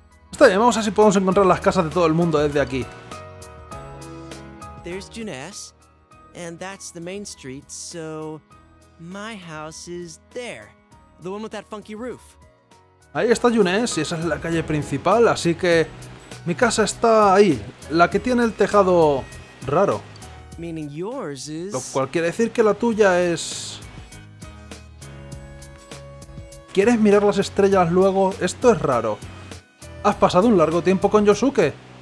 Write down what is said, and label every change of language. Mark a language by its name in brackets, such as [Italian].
[Spanish] Está bien, vamos a ver si podemos encontrar las casas de todo el mundo desde aquí. [English] There's Juness, and that's the main street, so my house is there. The one with that funky roof. [Spanish] Ahí está Junes, y esa es la calle principal, así que mi casa está ahí, la que tiene el tejado raro. [English] Meaning yours is... [Spanish] Lo cual quiere decir que la tuya es... ¿Quieres mirar las estrellas luego? Esto es raro. ¿Has pasado un largo tiempo con Yosuke?